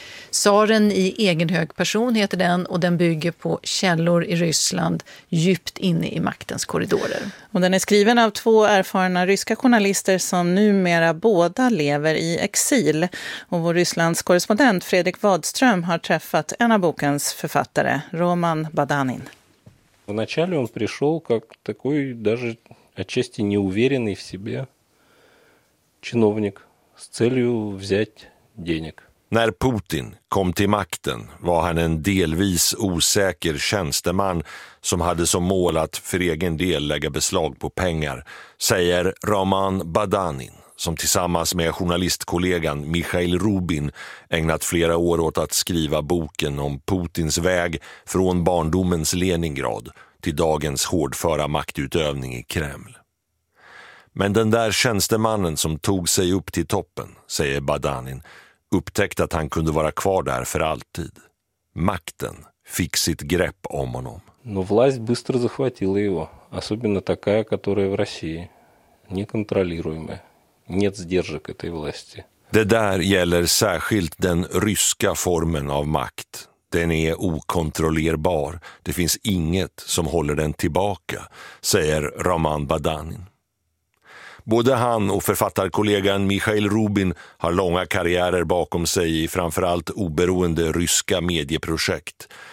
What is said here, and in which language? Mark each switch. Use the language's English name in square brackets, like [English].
[Swedish] Tsaren i egen hög person heter den och den bygger på källor i Ryssland djupt inne i maktens korridorer. Och den är skriven av två erfarna ryska journalister som numera båda lever i exil. Och vår Rysslands korrespondent Fredrik Wadström har träffat en av bokens författare, Roman Badanin. [Russian] В начале он пришел как такой даже отчасти неуверенный в себе чиновник с целью взять денег. [Swedish] När Putin kom till makten var han en delvis osäker tjänsteman som hade som mål att för egen del lägga beslag på pengar, säger Roman Badanin, som tillsammans med journalistkollegan Mikhail Rubin ägnat flera år åt att skriva boken om Putins väg från barndomens Leningrad till dagens hårdföra maktutövning i Kreml. Men den där tjänstemannen som tog sig upp till toppen, säger Badanin, upptäckte att han kunde vara kvar där för alltid. Makten fick sitt grepp om honom. [Russian] Но власть быстро захватила его, особенно такая, которая в России неконтролируемая. Нет сдержек этой власти. [Swedish] Det där gäller särskilt den ryska formen av makt. Den är okontrollerbar. Det finns inget som håller den tillbaka, säger Roman Badanin. Både han och författarkollegan Mikhail Rubin har långa karriärer bakom sig i framförallt oberoende ryska medieprojekt.